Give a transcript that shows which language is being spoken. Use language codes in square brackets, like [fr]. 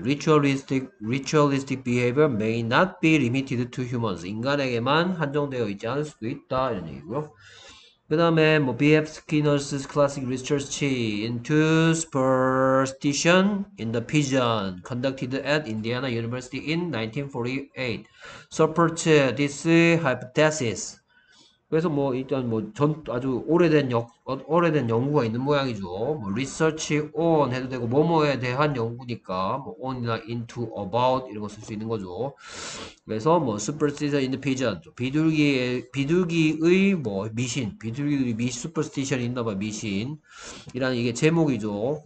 [en] Ritualistic behavior may not be limited to humans. [ko] 인간에게만 한정되어 있지 않을 수도 있다 이런 얘기고요. 그 다음에 뭐 B.F. [en] Skinner's classic research into superstition in the pigeon conducted at Indiana University in 1948 supports this hypothesis. [ko] 그래서 뭐 일단 뭐 전 아주 오래된 연구가 있는 모양이죠. 뭐 research on 해도 되고 뭐뭐에 대한 연구니까 뭐 on이나 into, about 이런 거 쓸 수 있는 거죠. 그래서 뭐 [en] superstition in the pigeon [ko] 비둘기의 뭐 미신 비둘기들이 superstition 있나 봐 미신이라는 이게 제목이죠.